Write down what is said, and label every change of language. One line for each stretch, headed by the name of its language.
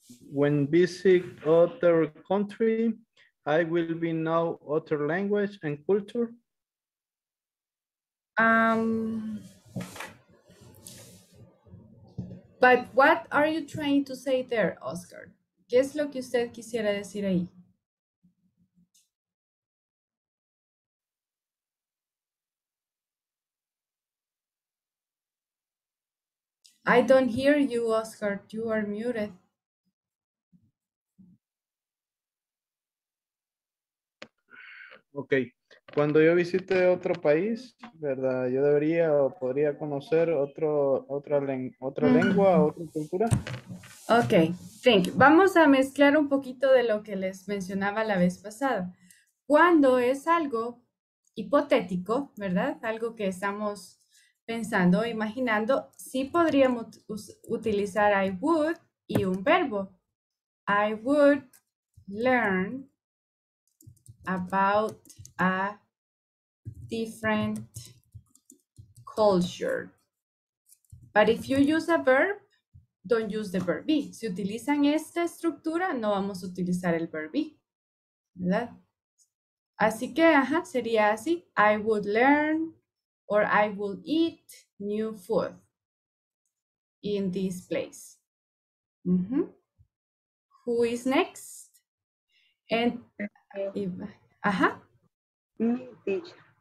English: When visit other country, I will be know other language and culture. But what are you trying to say there, Oscar?
Spanish: ¿Qué es lo que usted quisiera decir ahí?
English: I don't hear you, Oscar. You are muted.
Spanish: Ok, cuando yo visite otro país, ¿verdad? ¿Yo debería o podría conocer otra lengua, otra cultura?
English: Ok, thank you.
Spanish: Vamos a mezclar un poquito de lo que les mencionaba la vez pasada. Cuando es algo hipotético, ¿verdad? Algo que estamos pensando, imaginando, sí podríamos utilizar I would y un verbo.
English: I would learn about a different culture. But if you use a verb, don't use the verb be.
Spanish: Si utilizan esta estructura, no vamos a utilizar el verb be, ¿verdad? Así que, ajá, sería así.
English: I would learn or I would eat new food in this place. Mm-hmm. Who is next? And, ajá. Me, teacher.